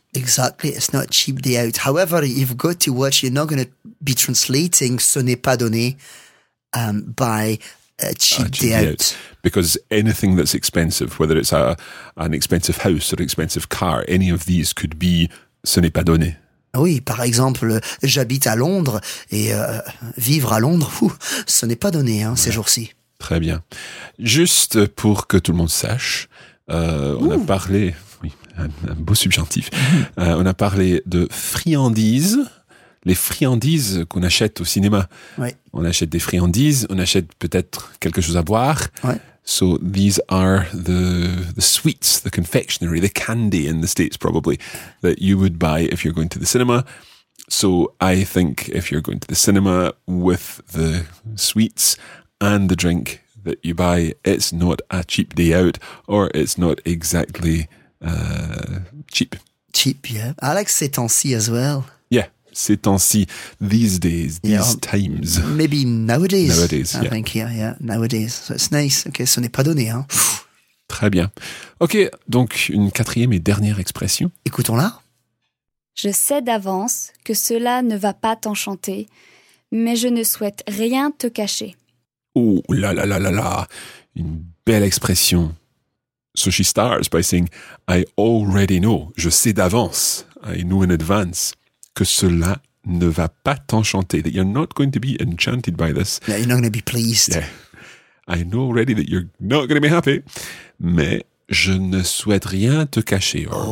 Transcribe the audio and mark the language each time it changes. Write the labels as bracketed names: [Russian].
[English] Exactly, it's not a cheap day out. However, you've got to watch, you're not going to be translating ce n'est pas donné by a cheap day out. Because anything that's expensive, whether it's an expensive house or an expensive car, any of these could be ce n'est pas donné. [French] Oui, par exemple, j'habite à Londres et vivre à Londres, ce n'est pas donné ces jours-ci. Très bien. Juste pour que tout le monde sache, on a parlé, oui, un beau subjonctif, on a parlé de friandises, les friandises qu'on achète au cinéma. Ouais. On achète des friandises, on achète peut-être quelque chose à boire. Ouais. [English] So these are the sweets, the confectionery, the candy in the States probably, that you would buy if you're going to the cinema. So I think if you're going to the cinema with the sweets and the drink that you buy, it's not a cheap day out, or it's not exactly cheap. Cheap, yeah. I like ces temps-ci as well. Yeah, ces temps-ci, these days, these times. Maybe nowadays. Nowadays, I think, yeah, nowadays. So it's nice. Okay, ce n'est pas donné. Hein. [French] Très bien. Okay, donc une quatrième et dernière expression. Écoutons-la. Je sais d'avance que cela ne va pas t'enchanter, mais je ne souhaite rien te cacher. Oh là là là là là, une belle expression. [English] So she starts by saying, I already know, je sais d'avance, I know in advance, que cela ne va pas t'enchanter, that you're not going to be enchanted by this. Yeah, you're not going to be pleased. Yeah. I know already that you're not going to be happy, mais je ne souhaite rien te cacher.